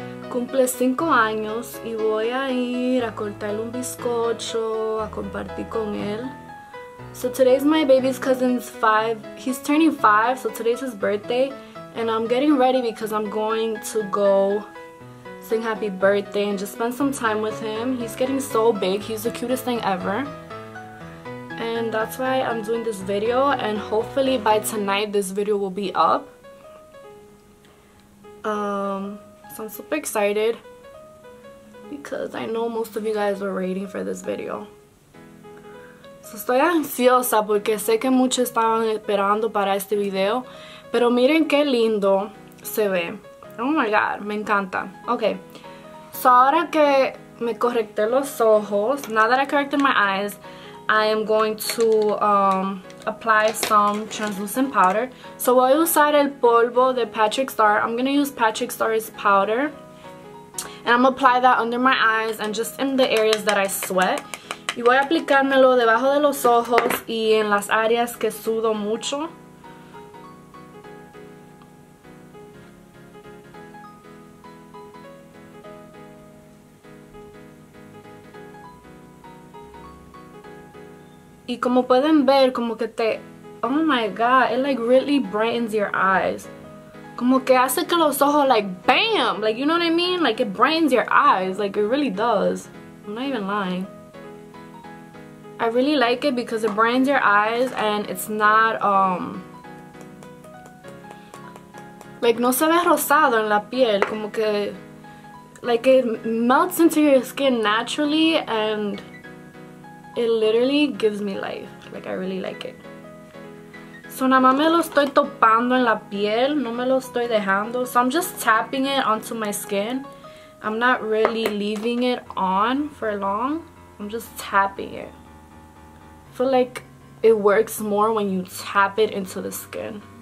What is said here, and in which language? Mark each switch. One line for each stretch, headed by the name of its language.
Spanish: Cumple 5 años, y voy a ir a cortarle un bizcocho, a compartir con él.
English: So today's my baby's cousin's 5, he's turning 5, so today's his birthday, and I'm getting ready because I'm going to go sing happy birthday and just spend some time with him. He's getting so big. He's the cutest thing ever. And that's why I'm doing this video, and hopefully by tonight this video will be up. So I'm super excited because I know most of you guys were waiting for this video.
Spanish: So estoy ansiosa porque sé que muchos estaban esperando para este video, pero miren qué lindo se ve.
English: Oh my god,
Spanish: me encanta.
English: Okay, so
Spanish: ahora que me correcté los ojos,
English: now that I corrected my eyes, I am going to apply some translucent powder.
Spanish: So voy a usar el polvo de PATRICKSTARRR.
English: I'm going to use PATRICKSTARRR's powder. And I'm going to apply that under my eyes and just in the areas that I sweat.
Spanish: Y voy a aplicármelo debajo de los ojos y en las áreas que sudo mucho. Y como pueden ver, como que te...
English: Oh my god, it like really brightens your eyes.
Spanish: Como que hace que los ojos like BAM!
English: Like, you know what I mean? Like, it brightens your eyes. Like, it really does. I'm not even lying. I really like it because it brightens your eyes and it's not, like,
Spanish: no se ve rosado en la piel.
English: Como que... Like, it melts into your skin naturally and... It literally gives me life. Like, I really like it.
Spanish: So, nada más me lo estoy topando en la piel. No me lo estoy dejando.
English: So, I'm just tapping it onto my skin. I'm not really leaving it on for long. I'm just tapping it. I feel like it works more when you tap it into the skin.